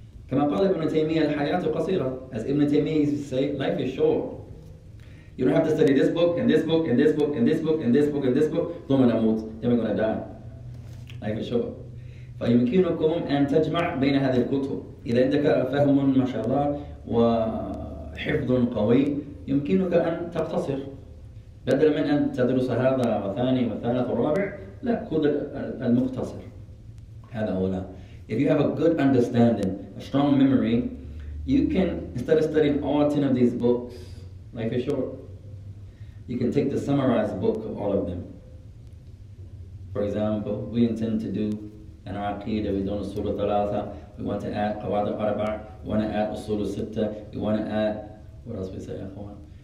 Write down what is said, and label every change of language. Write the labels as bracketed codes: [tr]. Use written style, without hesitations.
[ar] كما قال Ibn Taymiyyah, الحياة قصيرة. [en] As Ibn Taymiyyah used to say, life is short. You don't have to study this book, and this book, and this book, and this book, and this book, and this book. [ar] ثم نموت. [en] Then we're going to die. Life is short. [ar] فيمكنكم أن تجمع بين هذه الكتب. إذا عندك فهم ما شاء الله وحفظ قوي, يمكنك أن تقتصر. بدل من أن تدرس هذا وثاني وثالث ورابع, لا, خذ المختصر. هذا أولى. [en] If you have a good understanding, a strong memory, You can, instead of studying all 10 of these books, like for short, you can take the summarized book of all of them. For example, we intend to do an aqeedah, we're doing a surah thalatha, we want to add qawad al-arba', we want to add usul al-sitta, we want to add, what else we say, akhwan?